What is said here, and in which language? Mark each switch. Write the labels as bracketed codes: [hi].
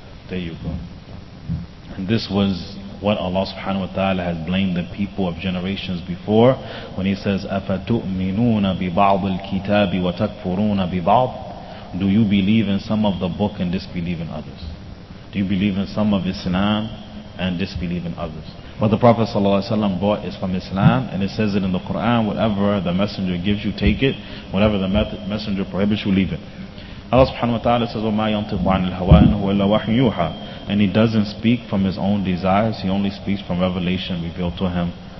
[en] There you go. And this was what Allah subhanahu wa ta'ala has blamed the people of generations before when He says, [ar] أَفَتُؤْمِنُونَ بِبَعْضِ الْكِتَابِ وَتَكْفُرُونَ بِبَعْضِ. [en] Do you believe in some of the book and disbelieve in others? Do you believe in some of Islam and disbelieve in others? What the Prophet ﷺ brought is from Islam, and it says it in the Quran, whatever the messenger gives you, take it. Whatever the messenger prohibits you, leave it. Allah subhanahu wa ta'ala says, [ar] وَمَا يَنْتِقُ عَنِ الْهَوَىٰ إِنْ هُوَ إِلَّا وَحْيٌ يُوحَىٰ. [en] And he doesn't speak from his own desires, he only speaks from revelation revealed to him.